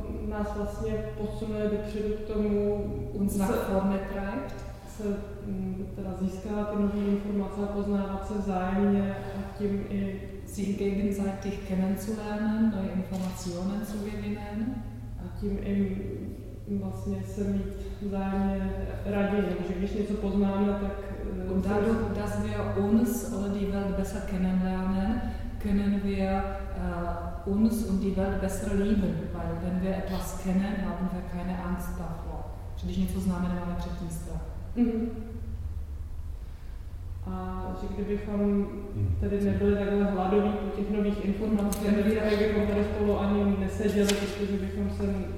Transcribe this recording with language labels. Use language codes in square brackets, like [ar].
[cs] nás vlastně posunuje dopředu k tomu, [de] uns nach vorne treibt, [cs] teda získávat nové informace a poznávat se vzájemně a tím i [de] sich gegenseitig kennenzulernen, neue Informationen zu gewinnen [cs] a tím i vlastně se mít vzájemně raději, že když něco poznáme, tak... [de] Und dadurch, dass wir uns oder die Welt besser kennenlernen, können wir uns und die Welt besser lieben, weil wenn wir etwas kennen, haben wir keine Angst davor. [cs] Když něco známe, nemáme před tím strach. A že kdybychom tady nebyli takhle hladoví po těch nových informacích, tak bychom tady spolu ani neseděli, protože bychom se